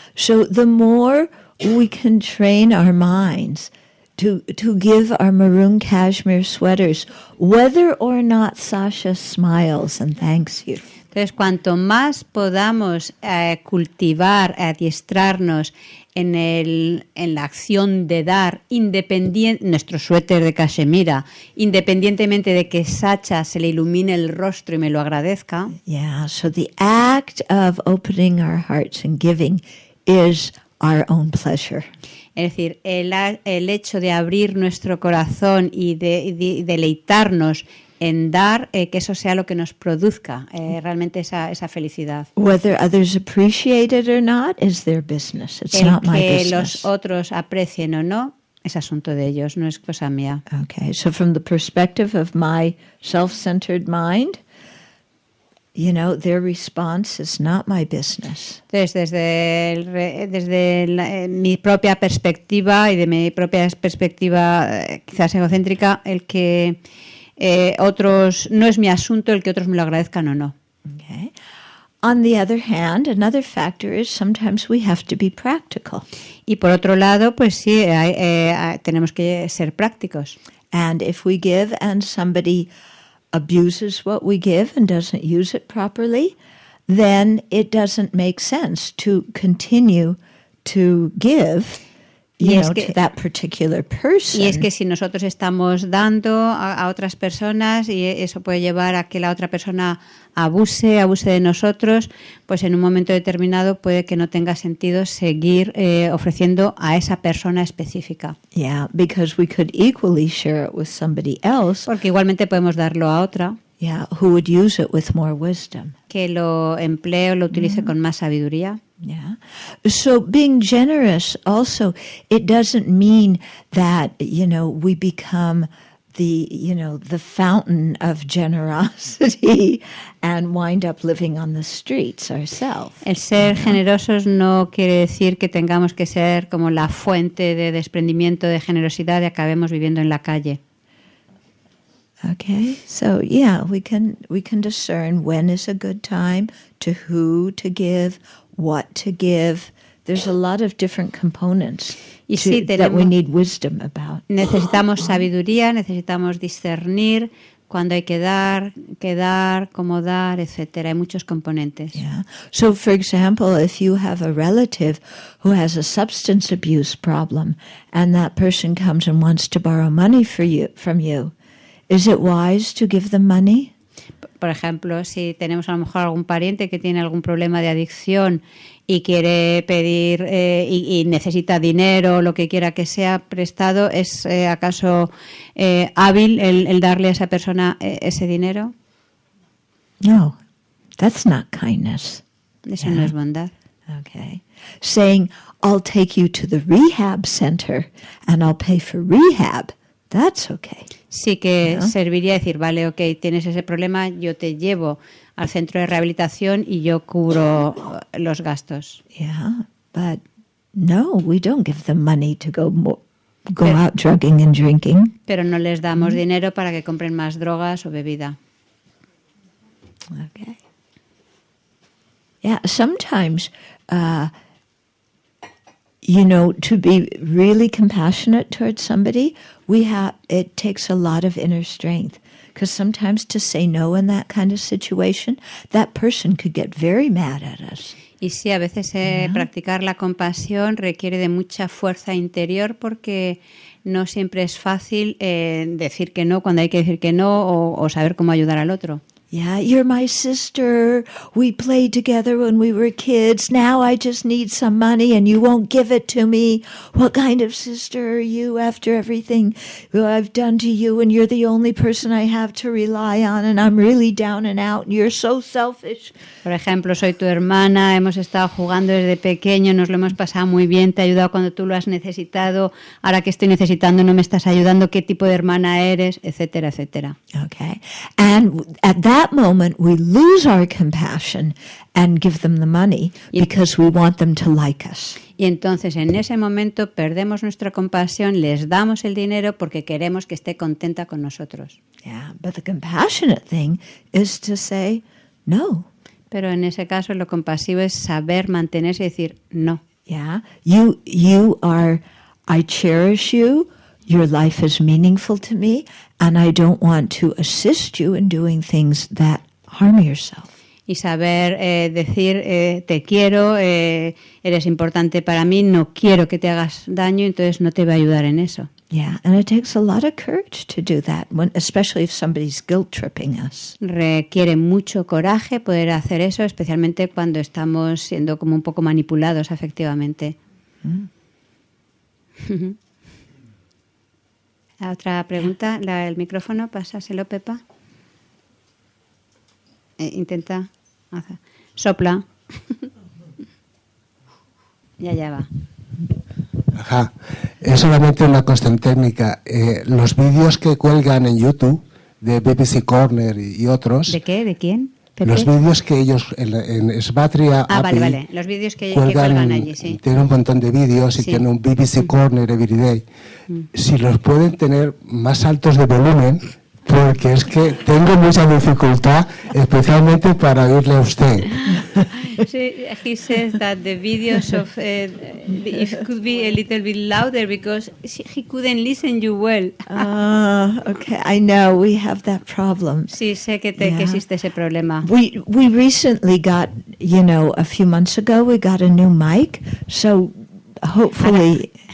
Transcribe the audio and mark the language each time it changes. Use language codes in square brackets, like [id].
[en] So the more we can train our minds to give our maroon cashmere sweaters, whether or not Sasha smiles and thanks you. [es] Entonces, cuanto más podamos cultivar, adiestrarnos en la acción de dar nuestro suéter de cachemira, independientemente de que Sasha se le ilumine el rostro y me lo agradezca. [en] Yeah, so the act of opening our hearts and giving is our own pleasure. [es] Es decir, el hecho de abrir nuestro corazón y de deleitarnos en dar, que eso sea lo que nos produzca realmente esa felicidad. [en] Whether others appreciate it or not is their business. It's not my business. [es] Que los otros aprecien o no es asunto de ellos, no es cosa mía. [en] Okay, so from the perspective of my self-centered mind, you know, their response is not my business. [es] Entonces, desde mi propia perspectiva y de mi propia perspectiva quizás egocéntrica, el que otros no es mi asunto el que otros me lo agradezcan o no. [en] Okay. On the other hand, another factor is sometimes we have to be practical. [es] Y por otro lado, pues sí, tenemos que ser prácticos. [en] And if we give and somebody abuses what we give and doesn't use it properly, then it doesn't make sense to continue to give. [es] Y es que si nosotros estamos dando a otras personas y eso puede llevar a que la otra persona abuse de nosotros, pues en un momento determinado puede que no tenga sentido seguir ofreciendo a esa persona específica. [en] Yeah, because we could equally share it with somebody else. [es] Porque igualmente podemos darlo a otra. [en] Yeah, who would use it with more wisdom. [es] Que lo emplee o lo utilice con más sabiduría. [en] Yeah. So being generous also, it doesn't mean that, you know, we become the fountain of generosity and wind up living on the streets ourselves. [es] El ser generosos no quiere decir que tengamos que ser como la fuente de desprendimiento de generosidad y acabemos viviendo en la calle. [en] Okay. So, yeah, we can discern when is a good time to who to give. What to give, there's a lot of different components [es] y sí, tenemos, [en] that we need wisdom about. [es] Necesitamos sabiduría, necesitamos discernir cuándo hay que dar, qué dar, cómo dar, etcétera. Hay muchos componentes. [en] Yeah. So, for example, if you have a relative who has a substance abuse problem and that person comes and wants to borrow money for you, from you, is it wise to give them money? [es] Por ejemplo, si tenemos a lo mejor algún pariente que tiene algún problema de adicción y quiere pedir y necesita dinero o lo que quiera que sea prestado, ¿es acaso hábil el darle a esa persona ese dinero? [en] No, that's not kindness. [es] Eso no es bondad. [en] Okay. Saying, I'll take you to the rehab center and I'll pay for rehab. That's okay. [es] Sí que serviría decir, vale, okay, tienes ese problema, yo te llevo al centro de rehabilitación y yo cubro los gastos. [en] Yeah, but no, we don't give them money to go out drugging and drinking. [es] Pero no les damos dinero para que compren más drogas o bebida. [en] Okay. Yeah, sometimes you know, to be really compassionate towards somebody, it takes a lot of inner strength. Because sometimes to say no in that kind of situation, that person could get very mad at us. [es] Y sí, a veces practicar la compasión requiere de mucha fuerza interior porque no siempre es fácil decir que no cuando hay que decir que no o saber cómo ayudar al otro. [en] Yeah, you're my sister. We played together when we were kids. Now I just need some money and you won't give it to me. What kind of sister are you after everything I've done to you and you're the only person I have to rely on and I'm really down and out and you're so selfish. [es] Por ejemplo, soy tu hermana, hemos estado jugando desde pequeño, nos lo hemos pasado muy bien, te he ayudado cuando tú lo has necesitado. Ahora que estoy necesitando, no me estás ayudando, ¿qué tipo de hermana eres? Etcétera, etcétera. [en] Okay. And at that moment we lose our compassion and give them the money because we want them to like us. [es] Y entonces en ese momento perdemos nuestra compasión, les damos el dinero porque queremos que esté contenta con nosotros. [en] Yeah, but the compassionate thing is to say no. [es] Pero en ese caso lo compasivo es saber mantenerse y decir no. [en] Yeah, you are, I cherish you. Your life is meaningful to me, and I don't want to assist you in doing things that harm yourself. [es] Y saber decir te quiero, eres importante para mí, no quiero que te hagas daño, entonces no te voy a ayudar en eso. [en] Yeah, and it takes a lot of courage to do that, especially if somebody's guilt tripping us. [es] Requiere mucho coraje poder hacer eso, especialmente cuando estamos siendo como un poco manipulados afectivamente. La otra pregunta, el micrófono, pásaselo, Pepa. Intenta, sopla. ya va. Ajá, es solamente una cuestión técnica. Los vídeos que cuelgan en YouTube, de BBC Corner y otros... ¿De qué? ¿De quién? ¿Pepe? Los vídeos que ellos, en Svatria... Ah, API, vale, los vídeos que cuelgan allí, sí. Tienen un montón de vídeos y sí. Tienen un BBC Corner [en] every day. [es] Si los pueden tener más altos de volumen, porque es que tengo mucha dificultad, especialmente para oírle a usted. [en] Sí, he says that the videos of if could be a little bit louder because he couldn't listen you well. Okay, I know we have that problem. [es] Sí, sé que que existe ese problema. [en] We recently got, you know, a few months ago we got a new mic, so hopefully.